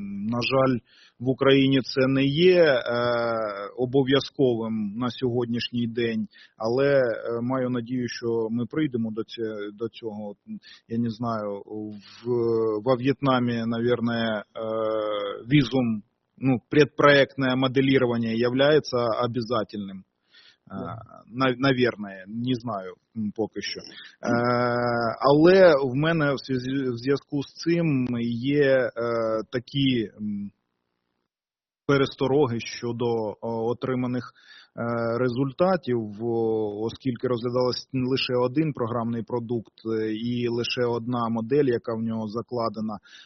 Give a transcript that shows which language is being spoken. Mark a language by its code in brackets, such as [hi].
[uk] На жаль, в Україні це не є обов'язковим на сьогоднішній день, але маю надію, що ми прийдемо до цього. [ru] Я не знаю, во В'єтнамі, наверное, візум, ну, предпроектное моделирование является обязательным. Наверное, не знаю [uk] поки що. Але в мене в зв'язку з цим є такі перестороги щодо отриманих результатів, оскільки розглядалось лише один програмний продукт і лише одна модель, яка в нього закладена,